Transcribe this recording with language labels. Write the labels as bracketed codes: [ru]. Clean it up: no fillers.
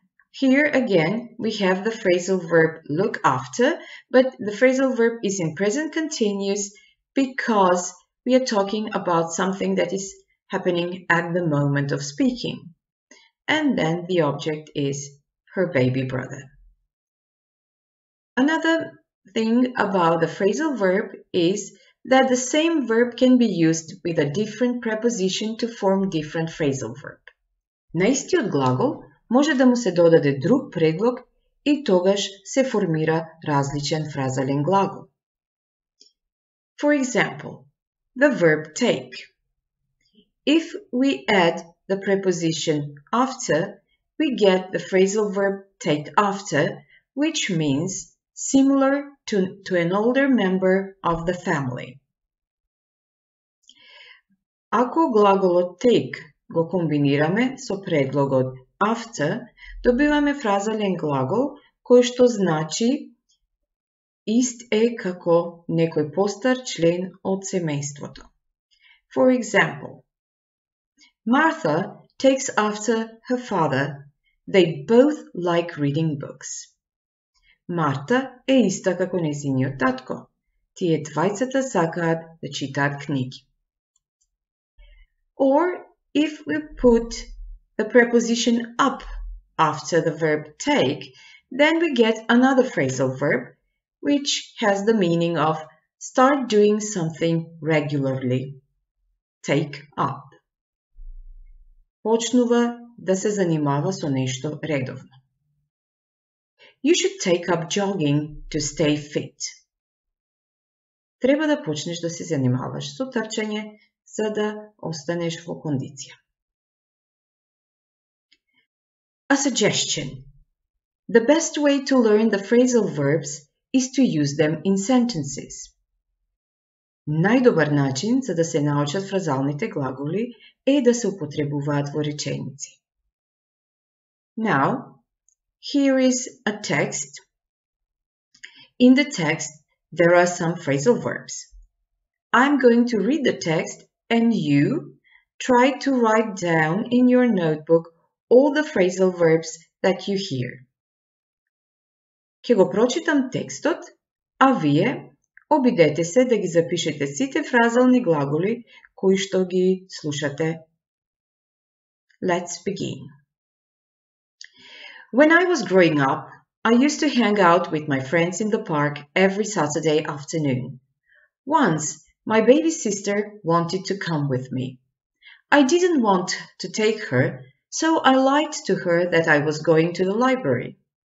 [en] Here again, we have the phrasal verb look after, but the phrasal verb is in present continuous because we are talking about something that is happening at the moment of speaking. And then the object is her baby brother. Another thing about the phrasal verb is that the same verb can be used with a different preposition to form different phrasal verb. [mk] На истиот глагол може да му се додаде друг предлог и тогаш се формира различен фразален глагол. [en] For example, the verb take. If we add the preposition after, we get the phrasal verb take after, which means similar to an older member of the family. [mk] Ако глаголот take го комбинираме со предлогот after, добиваме фразален глагол кој што значи ист е како некој постар член од семејството. [en] For example, Martha takes after her father. They both like reading books. [mk] Марта е иста како незиниот татко. Тие двајцата сакаат да читаат книги. [en] Or if we put the preposition up after the verb take, then we get another phrasal verb, which has the meaning of start doing something regularly. Take up. [mk] Почнува да се занимава со нешто редовно. [en] You should take up jogging to stay fit. [mk] Треба да почнеш да се занимаваш со трчање за да останеш во кондиција. [en] A suggestion. The best way to learn the phrasal verbs is to use them in sentences. [mk] Најдобар начин за да се научат фразалните глаголи е да се употребуваат во реченици. [en] Now, here is a text. In the text, there are some phrasal verbs. I'm going to read the text and you try to write down in your notebook all the phrasal verbs that you hear. [mk] Ќе го прочитам текстот, а вие обидете се да ги запишете сите фразални глаголи кои што ги слушате. [en] Let's begin. When I was growing up, I used to hang out with my friends in the park every Saturday afternoon. Once, my baby sister wanted to come with me. I didn't want to take her, so I lied to her that I was going to the library.